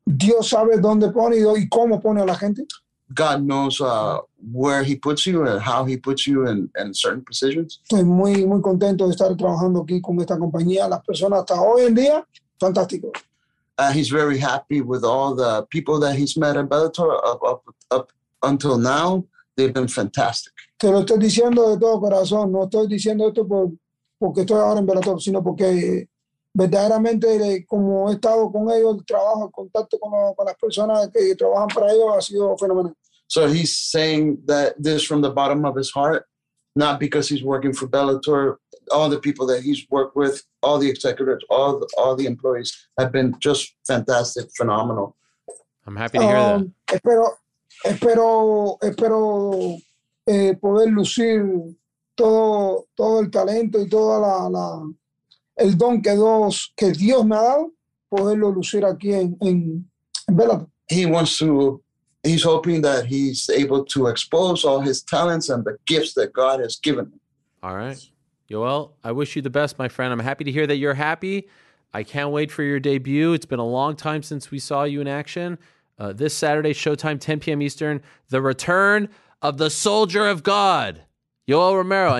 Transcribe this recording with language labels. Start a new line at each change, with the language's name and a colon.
Spanish: Dios sabe dónde pone y cómo pone a la gente.
English: God knows where he puts you and how he puts you in certain positions.
Spanish: Estoy muy, muy contento de estar trabajando aquí con esta compañía. Las personas hasta hoy en día, fantástico.
English: He's very happy with all the people that he's met at Bellator up until now. They've been fantastic.
Spanish: Te lo estoy diciendo de todo corazón. No estoy diciendo esto porque estoy ahora en Bellator, sino porque verdaderamente, como he estado con ellos, el trabajo, el contacto con las personas que trabajan para ellos ha sido fenomenal.
English: So he's saying that this from the bottom of his heart, not because he's working for Bellator. All the people that he's worked with, all the executives, all the employees have been just fantastic, phenomenal. I'm happy to hear that.
Spanish: Espero poder lucir todo el talento y toda la el don que Dios me ha dado, poderlo lucir aquí en Bellator.
English: He's hoping that he's able to expose all his talents and the gifts that God has given him. All right. Yoel, I wish you the best, my friend. I'm happy to hear that you're happy. I can't wait for your debut. It's been a long time since we saw you in action. This Saturday, Showtime, 10 p.m. Eastern, the return of the soldier of God, Yoel Romero.